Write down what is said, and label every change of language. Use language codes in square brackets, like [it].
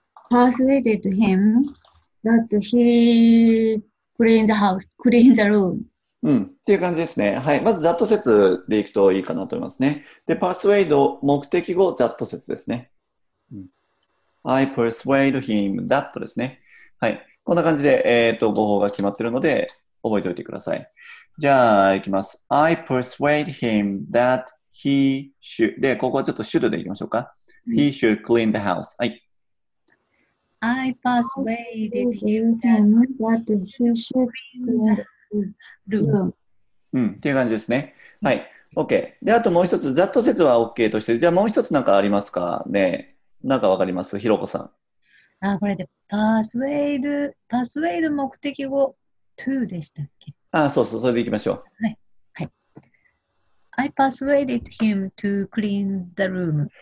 [en] Persuaded him that he cleaned the house, cleaned the room. [ja] うん。っていう感じですね。はい。まずざっと説でいくといいかなと思いますね。で、persuade 目的語ざっと説ですね。 [en] I persuade him that [ja] ですね。はい。こんな感じで、語法が決まってるので、覚えておいてください。じゃあ、いきます。 [en] I persuade him that he should, [ja] で、ここはちょっと should でいきましょうか。 [en] He should clean the house. [ja] はい。 [en] I persuaded him that he should clean the room. [ja] うん。っていう感じですね。はい。OK。で、あともう一つ、that 説は OK として、じゃあもう一つなんかありますかね。なんかわかります？ひろこさん。あ、これで、パスウェイド目的語、to でしたっけ？あ、そうそう、それでいきましょう。はい。はい。 [en] I persuaded him to clean the room.